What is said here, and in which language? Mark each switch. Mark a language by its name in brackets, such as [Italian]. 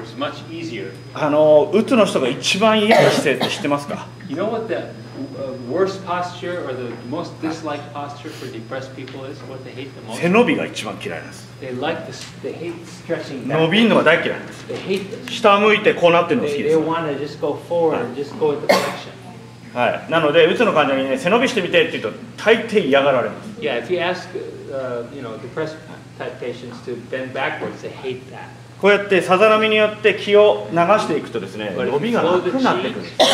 [Japanese] うつの人が一番嫌な姿勢って知ってますか？ [English] You know what the worst posture or the most disliked posture for depressed people is? What they hate the most? [Japanese] 背伸びが一番嫌いです。 [English] They like this. They hate stretching. [Japanese] 伸びるのが大嫌いです。 [English] They hate this. [Japanese] 下向いてこうなってるのが好きです。 [English] They want to just go forward and just go with the direction. [Japanese] はい。なのでうつの患者に、ね、背伸びしてみてって言うと大抵嫌がられます。 [English] Yeah, if you ask depressed type patients to bend backwards, they hate that. [Japanese] こうやってさざ波によって気を流していくとですね、伸びが楽になってくる。